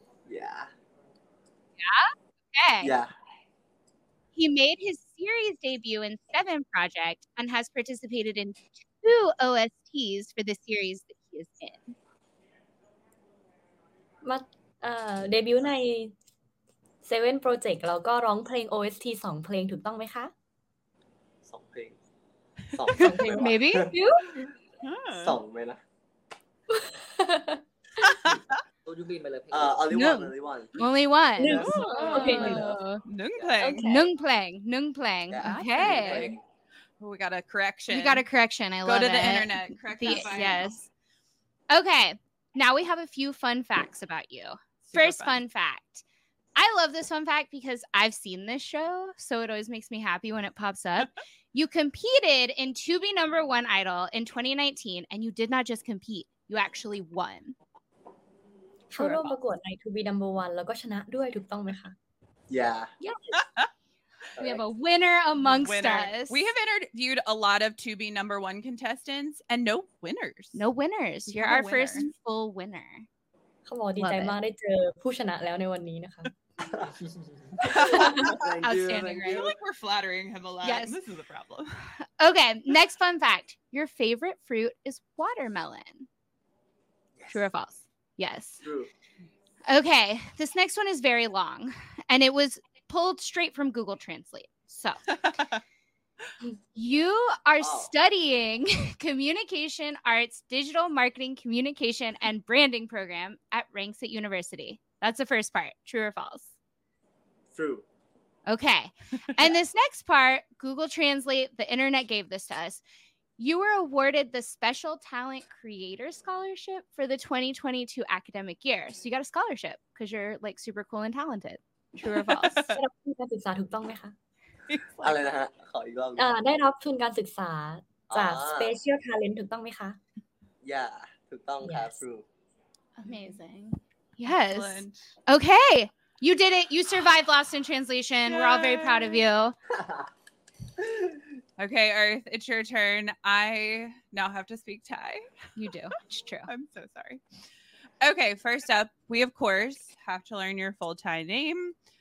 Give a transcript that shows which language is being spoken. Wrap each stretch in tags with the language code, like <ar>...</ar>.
<en>Yeah. Yeah? Okay. Yeah. He made his series debut in 7 Project and has participated in 2 OSTs for the series that he is in.</en> <th>Debut ใน 7 Project แล้วก็ร้องเพลง OST 2 เพลงถูกต้องไหมคะ 2 เพลง 2 เพลง</th> <en>Maybe?</en> <th>2 ไหมนะ</th> <en>Only one. Only one. Nung playing. Okay. Oh, we got a correction. We got a correction. I Go love it. Go to the internet. Correct the, that yes. Okay. Now we have a few fun facts about you. First fun fact. I love this fun fact because I've seen this show, so it always makes me happy when it pops up. You competed in 2B Number One Idol in 2019, and you did not just compete. You actually won.</en> <th>เขาร่วมประกวดใน 2B Number One แล้วก็ชนะด้วยถูกต้องไหมคะ</th> <en>Yeah yes. We have a winner amongst winner. Us We have interviewed a lot of 2B Number One contestants and no winners No winners We You're our winner. First full winner</en> <th>เขาบอกดีใจมากได้เจอผู้ชนะแล้วในวันนี้นะคะ</th> <en>Outstanding I feel like we're flattering him a lot Yes This is a problem Okay next fun fact Your favorite fruit is watermelon yes. True or false Yes. True. Okay, this next one is very long, and it was pulled straight from Google Translate. So, you are studying Communication Arts Digital Marketing Communication and Branding Program at Rangsit University. That's the first part. True or false? True. Okay. And this next part, Google Translate, the internet gave this to us. You were awarded the Special Talent Creator Scholarship for the 2022 academic year. So you got a scholarship because you're like super cool and talented. True or false?</en> <th>การศึกษาถูกต้องไหมคะ อะไรนะฮะขออีกรอบ ได้รับทุนการศึกษาจาก Special Talent ถูกต้องไหมคะ</th> <en>Yeah,</en> <th>ถูกต้องครับ</th> <en>True. Amazing. Yes. Excellent. Okay. You did it. You survived Lost in Translation. We're all very proud of you. Okay, Earth, it's your turn. I now have to speak Thai. You do. It's true. I'm so sorry. Okay, first up, we of course have to learn your full Thai name.</en>